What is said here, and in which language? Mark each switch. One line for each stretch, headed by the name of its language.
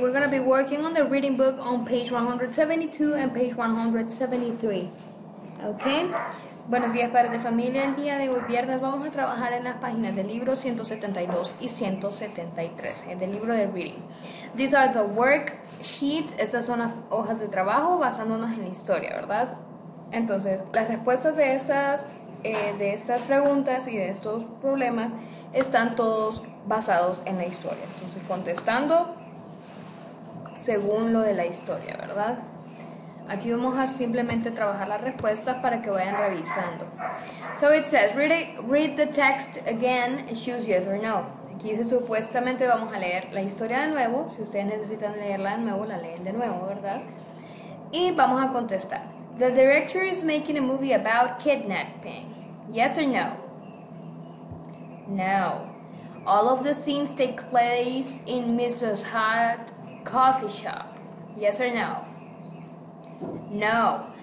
English: We're going to be working on the reading book on page 172 and page 173.
Spanish: Okay? Buenos días, padres de familia. El día de hoy, viernes, vamos a trabajar en las páginas del libro 172 y 173, del libro de reading.
English: These are the worksheets.
Spanish: Estas son las hojas de trabajo basándonos en la historia, ¿verdad? Entonces, las respuestas de estas preguntas y de estos problemas están todos basados en la historia. Entonces, contestando según lo de la historia, ¿verdad? Aquí vamos a simplemente trabajar las respuestas para que vayan revisando.
English: So it says, read the text again and choose yes or no.
Spanish: Aquí dice, supuestamente vamos a leer la historia de nuevo. Si ustedes necesitan leerla de nuevo, la leen de nuevo, ¿verdad? Y vamos a contestar.
English: The director is making a movie about kidnapping. Yes or no? No. All of the scenes take place in Mrs. Hot coffee shop. Yes or no? No.